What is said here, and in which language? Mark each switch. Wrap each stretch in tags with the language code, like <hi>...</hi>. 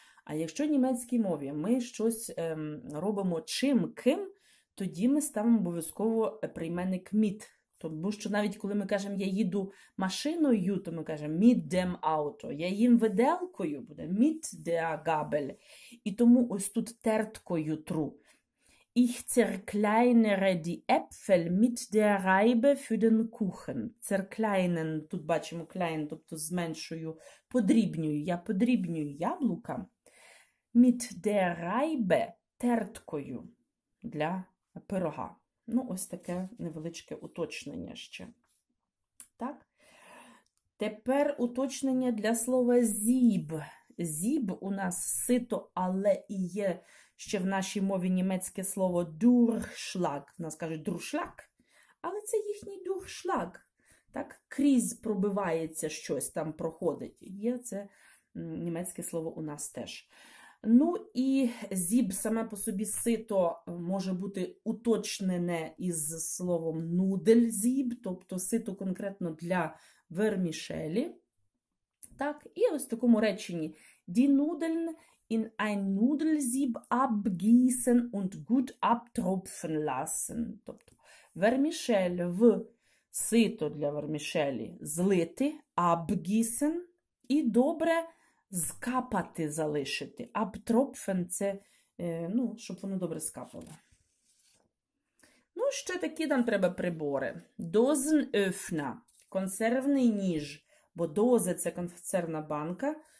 <uk>А якщо в німецькій мові ми щось робимо чим, ким, тоді ми ставимо обов'язково прийменник «міт». Тому що навіть коли ми кажемо, я їду машиною, то ми кажемо</uk> <de>mit dem Auto.</de> <uk>Я їм виделкою, буде</uk> <de>mit der Gabel.</de> <uk>І тому ось тут терткою тру.</uk> <de>Ich zerkleinere die Äpfel mit der Reibe für den Kuchen.</de> <uk>Zerkleinen, тут бачимо klein, тобто зменшую, подрібнюю. Я подрібнюю яблука.</uk> <de>Mit der Reibe,</de> <uk>терткою для пирога. Ну, ось таке невеличке уточнення ще. Так? Тепер уточнення для слова зіб. Зіб у нас сито, але і є ще в нашій мові німецьке слово дуршлаг. У нас кажуть дуршлаг, але це їхній дуршлаг. Так? Крізь пробивається щось, там проходить. Є це німецьке слово у нас теж. Ну і зіб саме по собі сито може бути уточнене із словом нудель зіб, тобто сито конкретно для вермішелі. Так, і ось в такому реченні</uk> <de>die Nudeln in ein Nudelsieb abgießen und gut abtropfen lassen.</de> <uk>Тобто вермішель в сито для вермішелі злити, abgießen і добре скапати залишити. Abtropfen – це, ну, щоб воно добре скапало. Ну, ще такі нам треба прибори. Дозенофна – консервний ніж, бо дози – це консервна банка.</uk>